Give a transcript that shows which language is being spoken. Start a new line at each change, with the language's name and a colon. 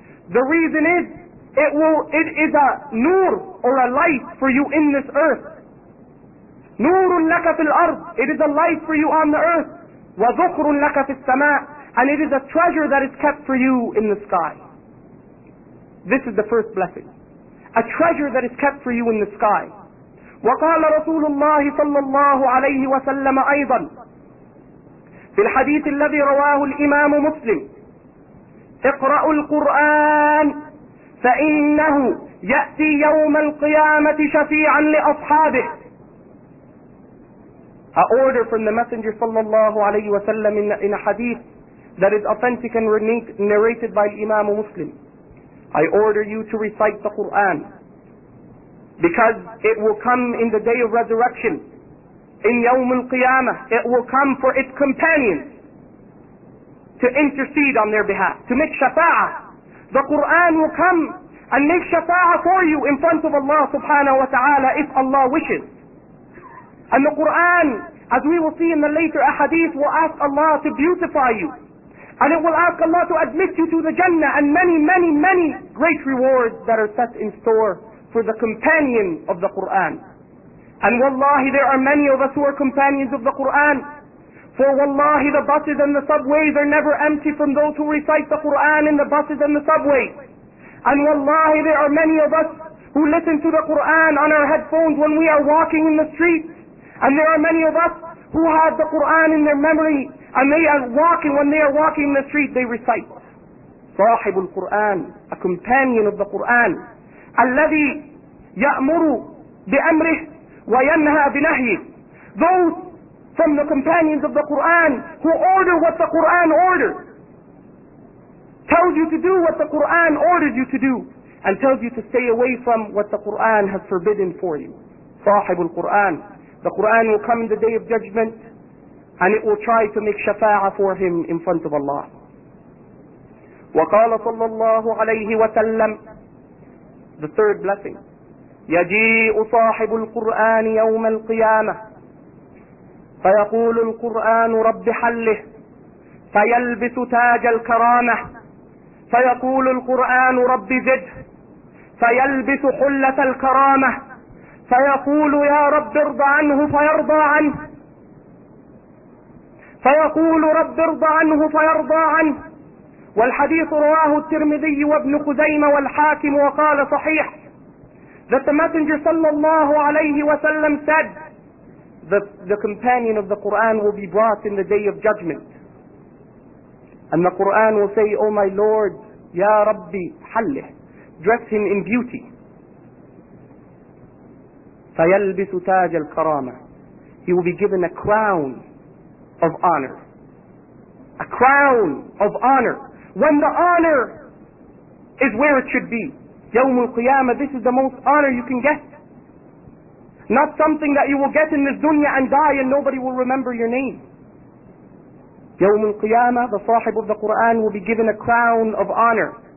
English: The reason is, it is a nur or a light for you in this earth.
Arabic: نُورٌ لَكَ فِي الْأَرْضِ
English: It is a light for you on the earth.
Arabic: وَذُخْرٌ لَكَ فِي السَّمَاءِ
English: And it is a treasure that is kept for you in the sky. This is the first blessing. A treasure that is kept for you in the sky.
Arabic: وَقَالَ رَسُولُ اللَّهِ صَلَّى اللَّهُ عَلَيْهِ وَسَلَّمَ أَيْضًا فِي الْحَدِيثِ الَّذِي رَوَاهُ الْإِمَامُ مُسْلِمُ اقْرَأُوا الْقُرْآنَ فَإِنَّهُ يَأْتِي يَوْمَ الْقِيَامَةِ شَفِيعًا لِأَصْحَابِهِ
English: A order from the Messenger sallallahu alayhi wa sallam in a hadith that is authentic and narrated by Imam Muslim. I order you to recite the Qur'an because it will come in the day of resurrection. In Yawm al-Qiyamah, it will come for its companions to intercede on their behalf, to make shafa'ah. The Qur'an will come and make shafa'ah for you in front of Allah subhanahu wa ta'ala if Allah wishes. And the Qur'an, as we will see in the later ahadith, will ask Allah to beautify you. And it will ask Allah to admit you to the Jannah and many, many, many great rewards that are set in store for the companion of the Qur'an. And wallahi, there are many of us who are companions of the Qur'an. For wallahi, the buses and the subways are never empty from those who recite the Qur'an in the buses and the subways. And wallahi, there are many of us who listen to the Qur'an on our headphones when we are walking in the streets. And there are many of us who have the Qur'an in their memory and they are walking, when they are walking in the street, they recite.
Arabic: صاحب القرآن,
English: a companion of the Qur'an,
Arabic: الذي يأمر بأمره وينهى بنهيه.
English: Those from the companions of the Qur'an who order what the Qur'an orders, tells you to do what the Qur'an ordered you to do, and tells you to stay away from what the Qur'an has forbidden for you.
Arabic: صاحب القرآن.
English: The Qur'an will come in the Day of Judgment and it will try to make shafa'ah for him in front of Allah.
Arabic: وَقَالَ صَلَّى اللَّهُ عَلَيْهِ وَسَلَّمْ
English: The third blessing.
Arabic: يَجِيءُ صَاحِبُ الْقُرْآنِ يَوْمَ الْقِيَامَةِ فَيَقُولُ الْقُرْآنُ رَبِّ حَلِّهِ فَيَلْبِسُ تَاجَ الْكَرَامَةِ فَيَقُولُ الْقُرْآنُ رَبِّ زِدْهِ فَيَلْبِسُ حُلَّةَ الْكَرَامَةِ فيقول يا رب ارض عنه فيرضى عنه فيقول رب ارض عنه فيرضى عنه والحديث رواه الترمذي وابن خزيمة والحاكم وقال صحيح
English: that the messenger
Arabic: صلى الله عليه وسلم
English: said the companion of the Quran will be brought in the day of judgment and the Quran will say oh my lord
Arabic: يا ربي حله
English: dress him in beauty
Arabic: فَيَلْبِسُ تَاجَ الْكَرَامَةِ
English: He will be given a crown of honor. A crown of honor. When the honor is where it should be.
Arabic: يَوْمُ الْقِيَامَةِ
English: This is the most honor you can get. Not something that you will get in this dunya and die and nobody will remember your name.
Arabic: يَوْمُ الْقِيَامَةِ
English: The صاحب of the Qur'an will be given a crown of honor.